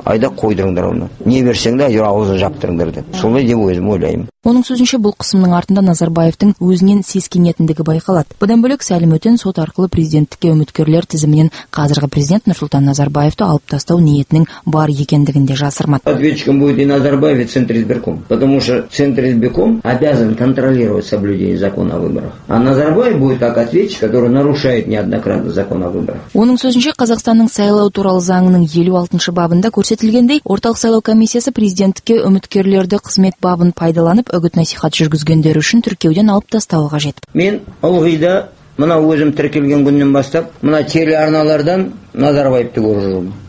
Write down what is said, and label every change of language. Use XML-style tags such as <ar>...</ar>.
<kk>Айда қойдыңдар оны. Не берсең де, ауызын жаптырыңдар деп. Солай деп өзім ойлаймын. Оның сөзінше бұл қысымның артында Назарбаевтың өзінен сескенетіндігі байқалады. Бұдан бөлек Сәлім Өтен сот арқылы президенттікке үміткерлер тізімінен қазіргі президент Нұрсұлтан Назарбаевты алып тастау ниетінің бар екендігін де жасырмады.</kk> <ru>Ответчиком будет и Назарбаев, и Центризбирком. Потому что Центризбирком обязан контролировать соблюдение закона о выборах. А Назарбаев будет как ответчик, который нарушает неоднократно закон о выборах.</ru> <kk>Оның сөзінше Қазақстанның сайлау туралы заңының 56-шы бабында көрсетілгендей, Орталық сайлау комиссиясы президенттікке үміткерлерді қызмет бабын пайдаланып үгіт-насихат жүргізгендері үшін тіркеуден алып тастау қажет. Мен ылғида мына өзім тіркелген күннен бастап мына телеарналардан Назарбаевты көріп жүрмін.</kk>